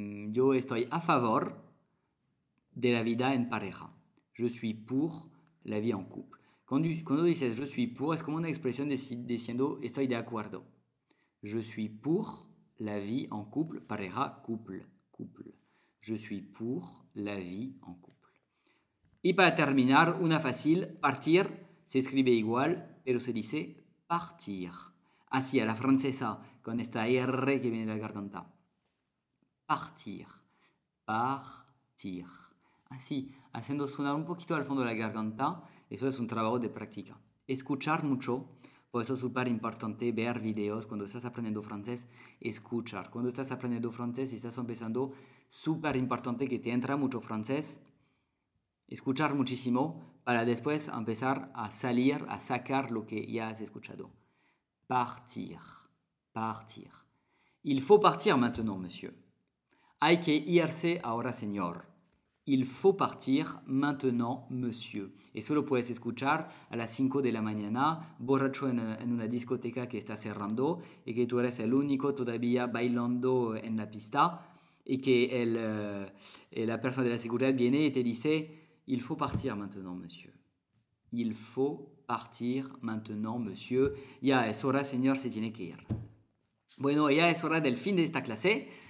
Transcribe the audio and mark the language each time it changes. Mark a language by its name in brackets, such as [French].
[Spanish] Yo estoy a favor de la vida en pareja. [French] Je suis pour la vie en couple. [Spanish] Cuando dices [French] je suis pour, [Spanish] es como una expresión diciendo estoy de acuerdo. [French] Je suis pour la vie en couple, pareja, couple, couple. Je suis pour la vie en couple. [Spanish] Y para terminar, una fácil, partir, se escribe igual, pero se dice partir. Así, a la francesa, con esta R que viene de la garganta. Partir. Partir. Así, haciendo sonar un poquito al fondo de la garganta. Eso es un trabajo de práctica. Escuchar mucho, por eso es súper importante ver videos cuando estás aprendiendo francés. Escuchar. Cuando estás aprendiendo francés y estás empezando, súper importante que te entra mucho francés. escuchar muchísimo para después empezar a salir, a sacar lo que ya has escuchado. Partir, partir. [French] Il faut partir maintenant, monsieur. [Spanish] Hay que irse ahora, señor. [French] Il faut partir maintenant, monsieur. [Spanish] Eso lo puedes escuchar a las 5 de la mañana, borracho en una discoteca que está cerrando y que tú eres el único todavía bailando en la pista y que la persona de la seguridad viene y te dice: [French] Il faut partir maintenant, monsieur. Il faut partir maintenant, monsieur. [Spanish] Ya es hora, señor, se tiene que ir. Bueno, ya es hora del fin de esta clase.